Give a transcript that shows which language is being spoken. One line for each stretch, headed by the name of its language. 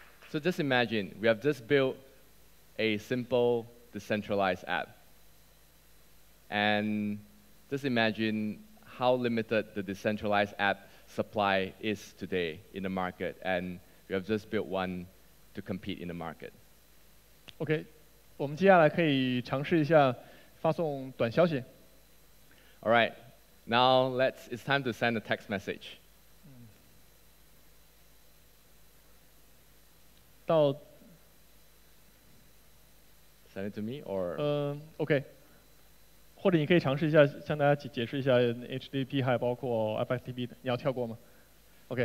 English: So just imagine, we have just built a simple decentralized app. And just imagine how limited the decentralized app supply is today in the market. And we have just built one to compete in the market.
Chinese: OK, 我们接下来可以尝试一下发送短消息.
English: All right, now it's time to send a text message.
Chinese: 到
English: send it to me or
Chinese: okay, 或者你可以尝试一下向大家解释一下 HTTP 还包括 FSTP 你要跳过吗？Okay.